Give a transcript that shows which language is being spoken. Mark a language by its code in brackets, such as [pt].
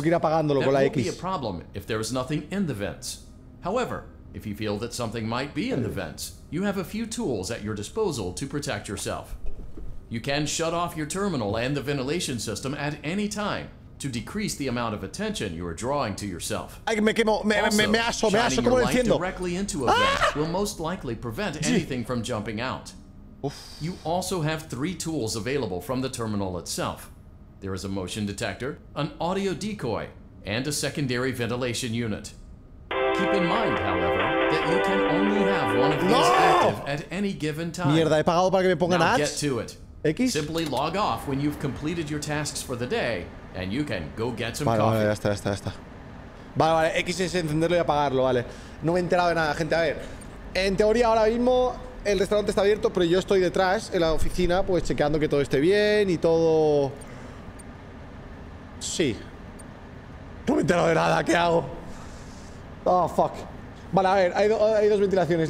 [en] won't be a problem if there is nothing in the vents. However, if you feel that something might be in the vents, you have a few tools at your disposal to protect yourself. You can shut off your terminal and the ventilation system at any time to decrease the amount of attention you are drawing to yourself. [es] Ay, me quemo, me aso, ¿cómo lo entiendo? [en] Directly into a vent will most likely prevent anything from jumping out. Uf. You also have three tools available from the terminal itself. There is a motion detector, an audio decoy, and a secondary ventilation unit. Keep in mind, however, that you can only have one of these active at any given time. [es] Mierda, he pagado para que me pongan ads. [en] Get to it. X. Simply log off when you've completed your tasks for the day, and you can go get some [es] coffee. Vale, ya está. Vale, vale, X es encenderlo y apagarlo, vale. No me he enterado de nada, gente. A ver, en teoría ahora mismo el restaurante está abierto, pero yo estoy detrás, en la oficina, pues chequeando que todo esté bien y todo... Sí. No me he enterado de nada, ¿qué hago? Oh, fuck. Vale, a ver, hay dos ventilaciones.